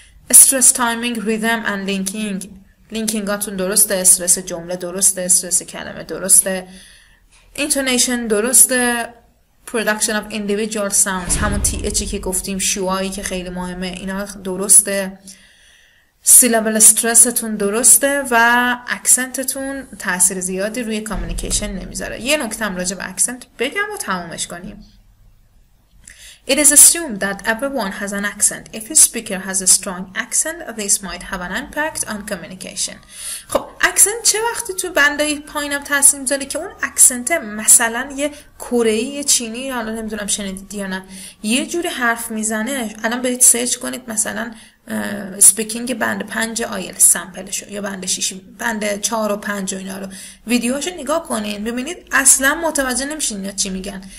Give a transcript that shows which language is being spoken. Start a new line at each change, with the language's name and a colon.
Persian: استرس تایمینگ، ریتم و لینکینگ. لینکینگاتون درسته، استرس جمله درسته، استرس کلمه درسته، اینتونیشن درسته، پروداکشن اف اندیویجوال ساوندز، همون تی اچی که گفتیم، شوایی که خیلی مهمه، اینا درسته، سیلابل استرستون درسته و اکسنتتون تاثیر زیادی روی کامیکیشن نمیذاره. یه نکته راجع به اکسنت بگم و تمومش کنیم.
English: It is assumed that everyone has an accent. If a speaker has a strong accent, this might have an impact on communication.
Persian: خب اکسنت چه وقتی تو بندای پایینم تاثیر میذاره که اون اکسنت مثلا یه کره‌ای، یه چینی، حالا نمیدونم شنیدید یا نه، یه جوری حرف میزنه. الان برید سرچ کنید مثلا speaking بند 5 آیل سمپلشو یا بند 6، بند 4 و 5 و اینا رو ویدیوهاشو نگاه کنین، ببینید اصلا متوجه نمیشین اینا چی میگن.